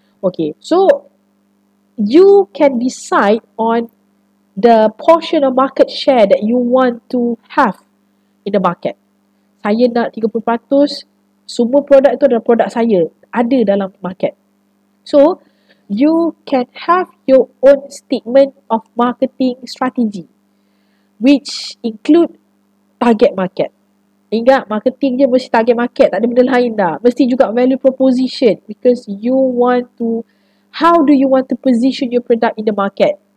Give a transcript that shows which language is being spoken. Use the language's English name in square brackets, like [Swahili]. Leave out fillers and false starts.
[English] Okay, so you can decide on the portion of market share that you want to have in the market. [Malay] Saya nak 30%, semua produk itu adalah produk saya, ada dalam market. [English] So, you can have your own statement of marketing strategy which include target market. [Malay] Ingat, marketing je mesti target market, tak ada benda lain dah. Mesti juga [English] value proposition because you want to, how do you want to position your product in the market?